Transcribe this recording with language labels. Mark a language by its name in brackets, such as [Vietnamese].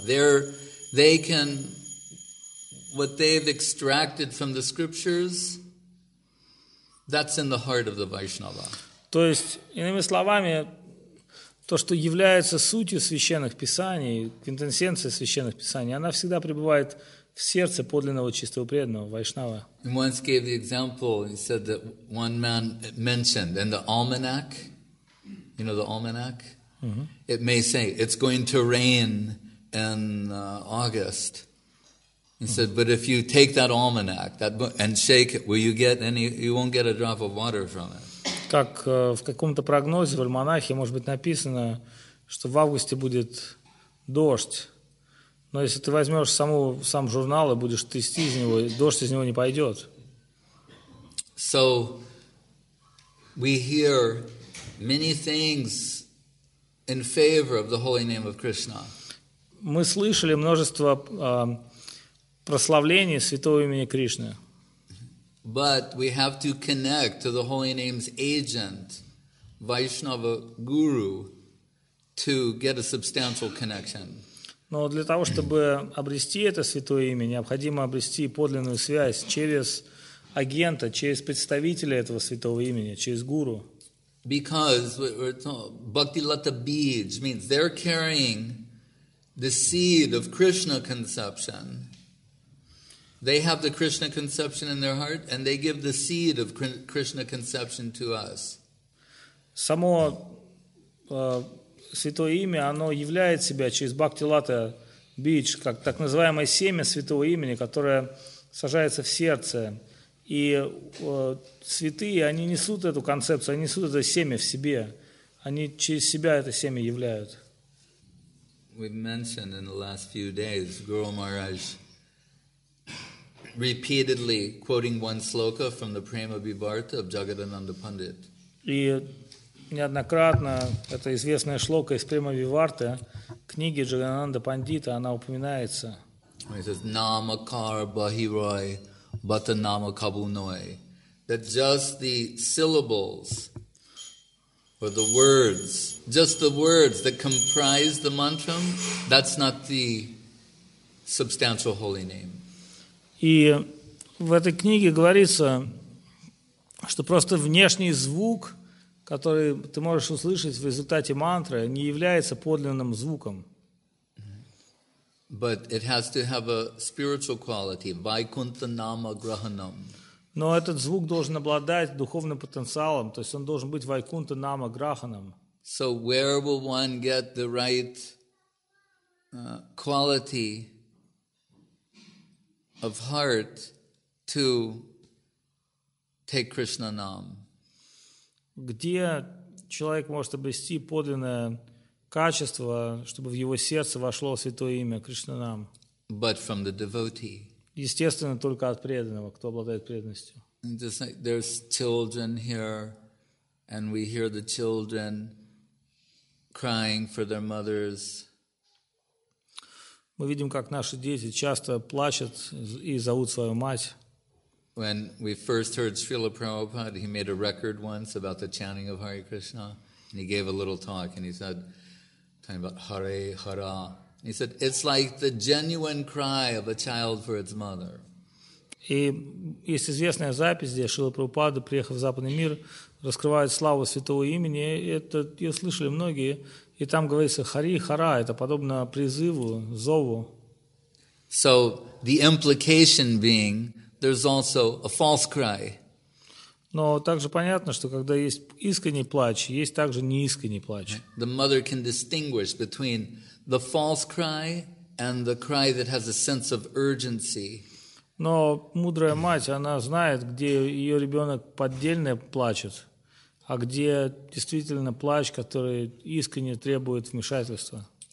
[English] There they can, what they've extracted from the scriptures, that's in the heart of the Vaishnava. [Russian] То есть, иными словами, то, что является сутью священных писаний, квинтэссенцией священных писаний, она всегда пребывает в сердце подлинного чистого преданного вайшнава. [English] Once gave the example, he said that one man mentioned in the almanac, you know the almanac, it may say it's going to rain in August. He said, but if you take that almanac that book, and shake it, will you get any? You won't get a drop of water from it. [Russian] Как в каком-то прогнозе в альманахе может быть написано, что в августе будет дождь, но если ты возьмешь сам журнал и будешь трясти из него, дождь из него не пойдет. [English] So we hear many things in favor of the holy name of Krishna. [Russian] Мы слышали множество прославлений святого имени Кришны. [English] But we have to connect to the Holy Name's agent, Vaishnava Guru, to get a substantial connection. [Russian] Но для того, чтобы обрести это святое имя, необходимо обрести подлинную связь через агента, через представителя этого святого имени, через гуру. [English] Because we're told, Bhakti Lata Beej means they're carrying the seed of Krishna conception. They have the Krishna conception in their heart, and they give the seed of Krishna conception to us. [Russian] Само святое имя, оно являет себя через Бхакти Лата Бидж, как так называемое семя святого имени, которое сажается в сердце. И святые, они несут эту концепцию, они несут это семя в себе. Они через себя это семя являют. [English] We've mentioned in the last few days, Guru Maharaj, repeatedly quoting one sloka from the Prema Bibharata of Jagadananda Pandit. [Russian] И неоднократно эта известная шлока из Према Бибарты, книги Джагадананда Пандита, она упоминается. [English] He says, [Bangla] "Namakar bahiroy, bata namakabunoy." [English] That just the syllables or the words, just the words that comprise the mantra, that's not the substantial holy name. [Russian] И в этой книге говорится, что просто внешний звук, который ты можешь услышать в результате мантры, не является подлинным звуком. [English] But it has to have a spiritual quality, Vaikuntha Nama Grahanam. [Russian] Но этот звук должен обладать духовным потенциалом, то есть он должен быть Вайкунта Нама Граханам. [English] So where will one get the right quality of heart to take Krishna Nam? [Russian] Где человек может обрести подлинное качество, чтобы в его сердце вошло святое имя Кришна Нам? [English] But from the devotee. [Russian] Естественно, только от преданного, кто обладает преданностью. [English] Just like there's children here, and we hear the children crying for their mothers. [Russian] Мы видим, как наши дети часто плачут и зовут свою мать. [English] When we first heard Srila Prabhupada, he made a record once about the chanting of Hare Krishna, and he gave a little talk, and he said, talking about Hare Hara, he said, it's like the genuine cry of a child for its mother. [Russian] И есть известная запись, где Шрила Прабхупада, приехав в западный мир, раскрывает славу святого имени, это ее слышали многие. И там говорится «Хари, Хара» — это подобно призыву, зову. [English] So the implication being, there's also a false cry. [Russian] Но также понятно, что когда есть искренний плач, есть также неискренний плач. [English] The mother can distinguish between the false cry and the cry that has a sense of urgency. [Russian] Но мудрая мать, она знает, где ее ребенок поддельно плачет, а где действительно плач, который искренне требует вмешательства.